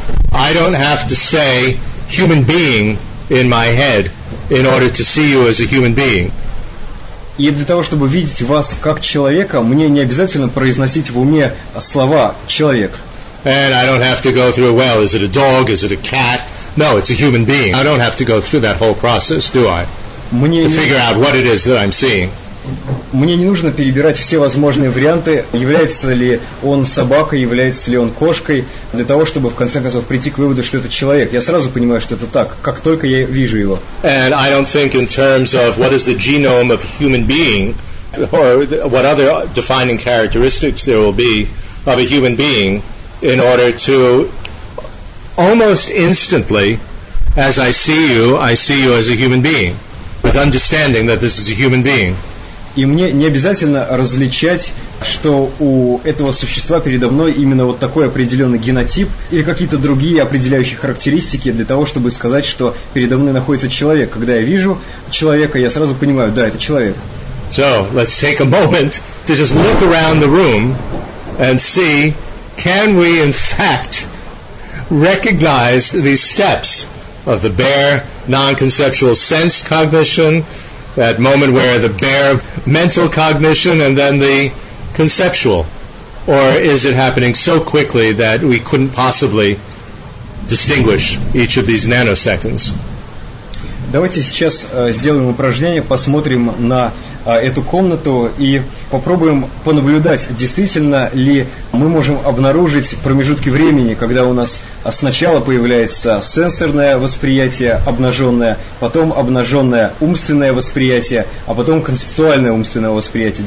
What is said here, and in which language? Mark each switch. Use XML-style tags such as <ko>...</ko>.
<en>I don't have to say human being in my head in order to see you as a human being.</en> <ru>И для того, чтобы видеть вас как человека, мне не обязательно произносить в уме слова «человек».</ru> <en>And I don't have to go through, well, is it a dog, is it a cat? No, it's a human being. I don't have to go through that whole process, do I?</en> <ru>Мне</ru> <en>to figure out what it is that I'm seeing.</en> <ru>Мне не нужно перебирать все возможные варианты, является ли он собакой, является ли он кошкой, для того, чтобы в конце концов прийти к выводу, что это человек. Я сразу понимаю, что это так, как только я вижу его.</ru> <en>And I don't think in terms of what is the genome of a human being, or what other defining characteristics there will be of a human being, in order to almost instantly, as I see you as a human being, with understanding that this is a human being.</en> <ru>И мне не обязательно различать, что у этого существа передо мной именно вот такой определенный генотип или какие-то другие определяющие характеристики для того, чтобы сказать, что передо мной находится человек. Когда я вижу человека, я сразу понимаю, да, это человек.</ru> <en>So, let's take a moment to just look around the room and see, can we in fact recognize these steps of the bare non-conceptual sense cognition, that moment where the bare mental cognition and then the conceptual? Or is it happening so quickly that we couldn't possibly distinguish each of these nanoseconds?</en> <ru>Давайте сейчас сделаем упражнение, посмотрим на эту комнату и попробуем понаблюдать, действительно ли мы можем обнаружить промежутки времени, когда у нас сначала появляется сенсорное восприятие обнаженное, потом обнаженное умственное восприятие, а потом концептуальное умственное восприятие.</ru>